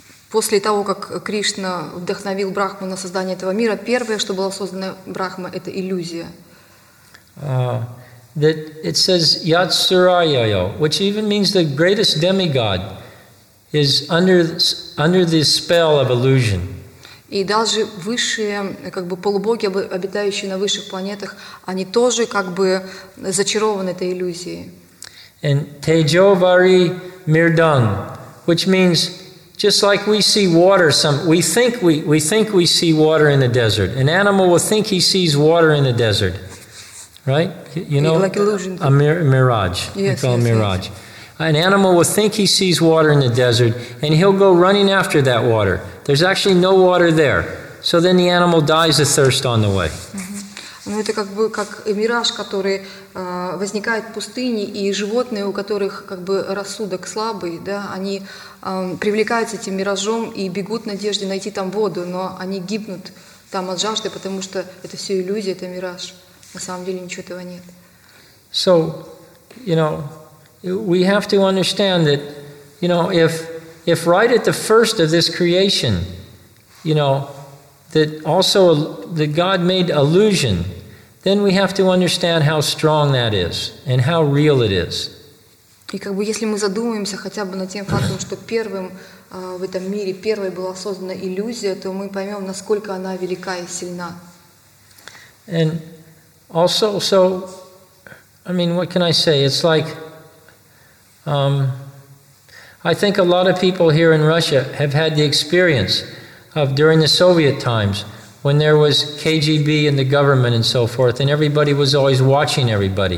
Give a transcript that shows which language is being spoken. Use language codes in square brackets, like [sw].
[ru] После того, как Кришна вдохновил Брахму на создание этого мира, первое, что было создано Брахма, это иллюзия. [en] That it says Yatsurayayo, which even means the greatest demigod is under the spell of illusion. [ru] И даже высшие, как бы полубоги, обитающие на высших планетах, они тоже как бы зачарованы этой иллюзией. [en] And Tejovari Mirdang, which means just like we see water, we think we see water in the desert. An animal will think he sees water in the desert, right? You know, like illusion. A mirage. Yes, we call yes, a mirage. Yes. An animal will think he sees water in the desert, and he'll go running after that water. There's actually no water there. So then the animal dies of thirst on the way. [ru] Ну это как бы как мираж, который возникает в пустыне, и животные, у которых как бы рассудок слабый, да, они привлекаются этим миражом и бегут в надежде найти там воду, но они гибнут там от жажды, потому что это все иллюзия, это мираж. На самом деле ничего этого нет. [en] So, you know, we have to understand that, you know, if right at the first of this creation, you know, that also that God made illusion, then we have to understand how strong that is and how real it is. [ru] И как бы если мы задумаемся хотя бы над тем фактом, что первым в этом мире первой была создана иллюзия, то мы поймем, насколько она велика и сильна. [en] And also, so, I mean, what can I say? It's like, I think a lot of people here in Russia have had the experience of during the Soviet times, when there was KGB and the government and so forth, and everybody was always watching everybody.